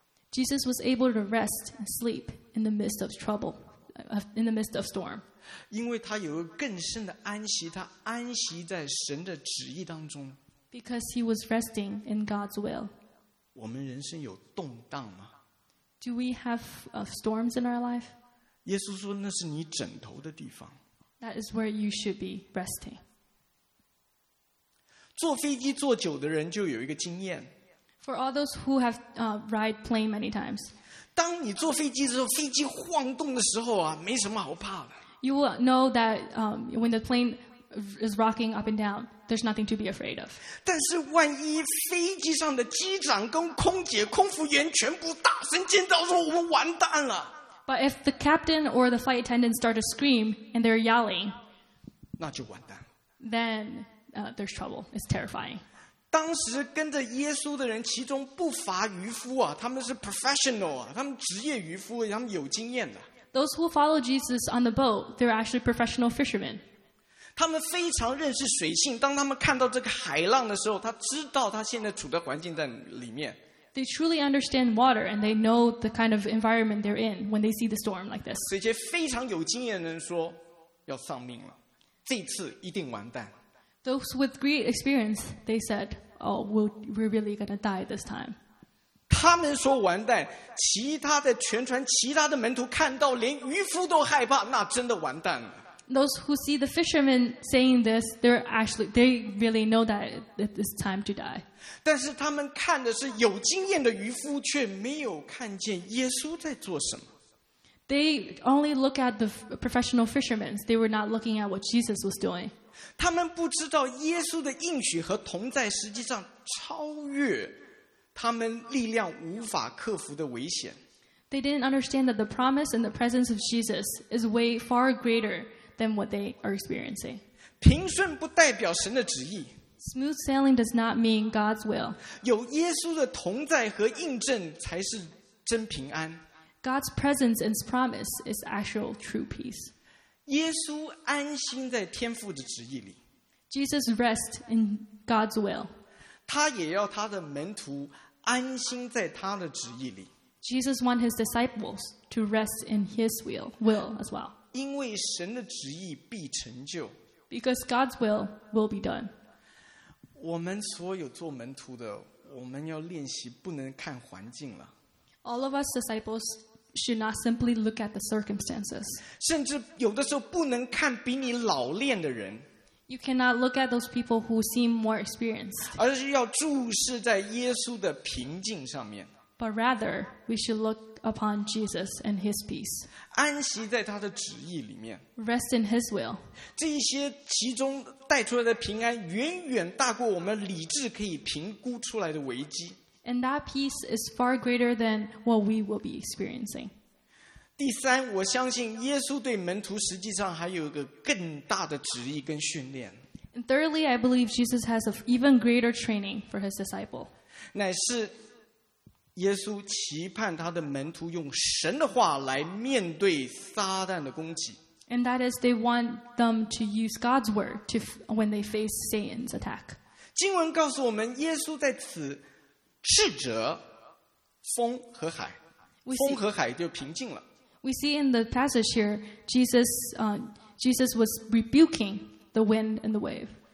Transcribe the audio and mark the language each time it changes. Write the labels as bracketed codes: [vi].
[en] Jesus was able to rest and sleep in the midst of trouble, in the midst of storm. [zh] 因为他有更深的安息，他安息在神的旨意当中。 [en] Because he was resting in God's will. [zh] 我们人生有动荡吗？ [en] Do we have storms in our life? [zh] 耶稣说那是你枕头的地方。 [en] That is where you should be resting. [zh] 坐飞机坐久的人就有一个经验。 [en] For all those who have ride plane many times. [zh] 当你坐飞机的时候，飞机晃动的时候啊，没什么好怕的。 [en] You will know that when the plane is rocking up and down, there's nothing to be afraid of. [zh] 但是万一飞机上的机长跟空姐、空服员全部大声尖叫说我们完蛋了。 [en] But if the captain or the flight attendant start to scream and they're yelling, [zh] 那就完蛋。 [en] Then there's trouble. It's terrifying. [zh] 当时跟着耶稣的人其中不乏渔夫啊，他们是 professional 啊，他们职业渔夫，他们有经验的。 [en] Those who follow Jesus on the boat, they're actually professional fishermen. [zh] 他们非常认识水性，当他们看到这个海浪的时候，他知道他现在处的环境在里面。 [en] They truly understand water and they know the kind of environment they're in when they see the storm like this. [zh] 这些非常有经验的人说要丧命了，这次一定完蛋。 [en] Those with great experience, they said, oh, we're really going to die this time. [zh] 他们说完蛋，其他的全船其他的门徒看到连渔夫都害怕，那真的完蛋了。 [en] Those who see the fishermen saying this, they really know that it's time to die. [zh] 但是他们看的是有经验的渔夫，却没有看见耶稣在做什么。 [en] They only look at the professional fishermen. They were not looking at what Jesus was doing. [zh] 他们不知道耶稣的应许和同在实际上超越他们力量无法克服的危险。 [en] They didn't understand that the promise and the presence of Jesus is way far greater than what they are experiencing. [zh] 平顺不代表神的旨意。 [en] Smooth sailing does not mean God's will. [zh] 有耶稣的同在和印证才是真平安。 [en] God's presence and promise is actual true peace. [zh] 耶稣安心在天父的旨意里。 [en] Jesus rests in God's will. [zh] 他也要他的门徒安心在他的旨意里。 [en] Jesus wants his disciples to rest in his will as well. [zh] 因为神的旨意必成就。 [en] Because God's will be done. [zh] 我们所有做门徒的，我们要练习不能看环境了。 [en] All of us disciples should not simply look at the circumstances. [zh] 甚至有的时候不能看比你老练的人。 [en] You cannot look at those people who seem more experienced. [zh] 而是要注视在耶稣的平静上面。 [en] But rather, we should look upon Jesus and His peace. [zh] 安息在他的旨意里面。 [en] Rest in His will. [zh] 这些其中带出来的平安，远远大过我们理智可以评估出来的危机。 [en] And that peace is far greater than what we will be experiencing. [zh] 第三，我相信耶稣对门徒实际上还有一个更大的旨意跟训练。 [en] And thirdly, I believe Jesus has an even greater training for His disciple. [zh] 乃是耶稣期盼他的门徒用神的话来面对撒旦的攻击。 [en] And that is they want them to use God's word to when they face Satan's attack. [zh] 经文告诉我们，耶稣在此斥责风和海，风和海就平静了。 [en] We see in the passage here, Jesus was rebuking the wind and the wave.